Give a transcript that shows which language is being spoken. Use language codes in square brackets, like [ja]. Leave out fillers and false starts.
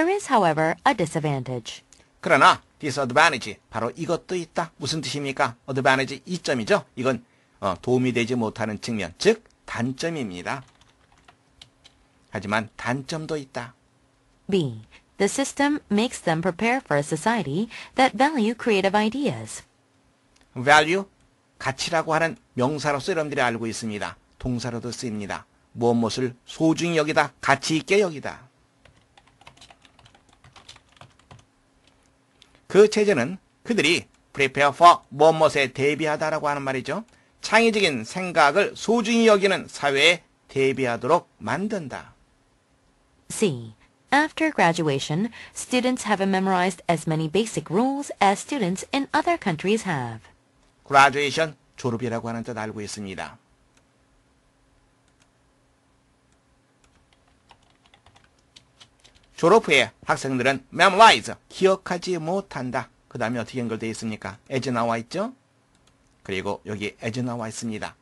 [en] However, a disadvantage. [ko] 그러나, disadvantage, 바로 이것도 있다. 무슨 뜻입니까? advantage, 이점이죠? 이건 도움이 되지 못하는 측면, 즉, 단점입니다. 하지만, 단점도 있다. [en] B. The system makes them prepare for a society that value creative ideas. [ko] value, 가치라고 하는 명사로서 여러분들이 알고 있습니다. 동사로도 쓰입니다. 무엇을 소중히 여기다, 가치 있게 여기다. 그 체제는 그들이 prepare for 무엇에 대비하다라고 하는 말이죠. 창의적인 생각을 소중히 여기는 사회에 대비하도록 만든다. [en] C. After graduation, students have memorized as many basic rules as students in other countries have. [ko] graduation, 졸업이라고 하는 뜻 알고 있습니다. 졸업 후에 학생들은 memorize, 기억하지 못한다. 그 다음에 어떻게 연결되어 있습니까? as 나와 있죠? 그리고 여기 as 나와 있습니다.